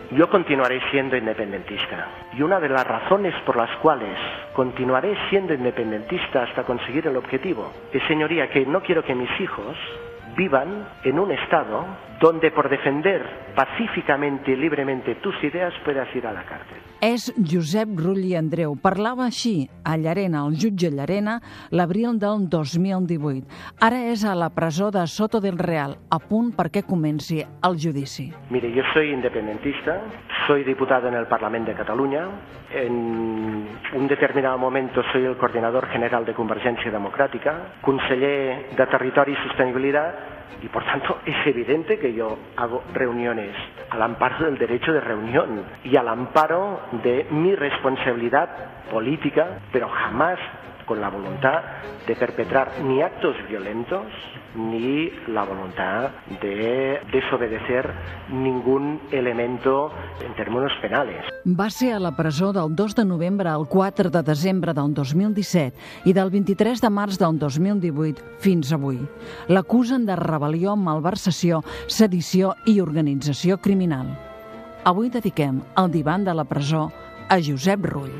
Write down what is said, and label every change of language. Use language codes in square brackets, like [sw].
[es] Yo continuaré siendo independentista. Y una de las razones por las cuales continuaré siendo independentista hasta conseguir el objetivo es, señoría, que no quiero que mis hijos vivan en un estado donde por defender pacíficamente y libremente tus ideas puedas ir a la cárcel. [ca] És Josep Rull i Andreu. Parlava així a Llarena, al jutge Llarena, l'abril del 2018. Ara és a la presó de Soto del Real, a punt perquè comenci el judici. [es] Mire, yo soy independentista, soy diputado en el Parlament de Catalunya, en un determinado momento soy el coordinador general de Convergència Democràtica, conseller de Territori i Sostenibilitat, y por tanto es evidente que yo hago reuniones al amparo del derecho de reunión y al amparo de mi responsabilidad política, pero jamás con la voluntad de perpetrar ni actos violentos ni la voluntad de desobedecer ningún elemento en términos penales. [ca] Va ser a la presó del 2 de novembre al 4 de desembre del 2017 i del 23 de març del 2018 fins avui. L'acusen de rebel·lió, malversació, sedició i organització criminal. Avui dediquem el divan de la presó a Josep Rull.